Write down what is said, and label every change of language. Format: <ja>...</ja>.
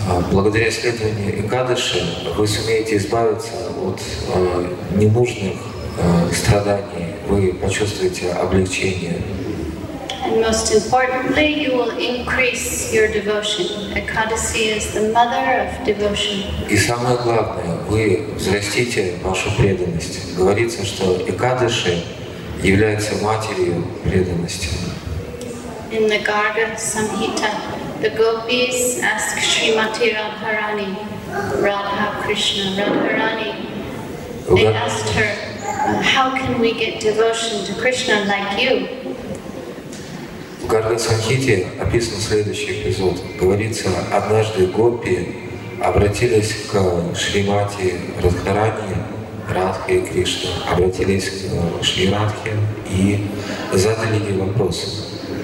<ru>Благодаря следованию Экадаши вы сумеете избавиться от ненужных страданий, вы почувствуете облегчение.</ru> <en>And most importantly, you will increase your devotion. Ekadasi is the mother of devotion.</en> <ru>И самое главное, вы взрастите вашу преданность. Говорится, что Экадаши является матерью преданности.</ru> <en>In the Garga Samhita, the gopis ask Srimati Radharani, Radha Krishna, Radharani. They asked her, how can we get devotion to Krishna like you?</en> <ru>В Гарга-санхите описан следующий эпизод. Говорится, однажды гопи обратились к Шримати Радхарани, Радхе и Кришне, обратились к Шри Радхе и задали ей вопрос.</ru>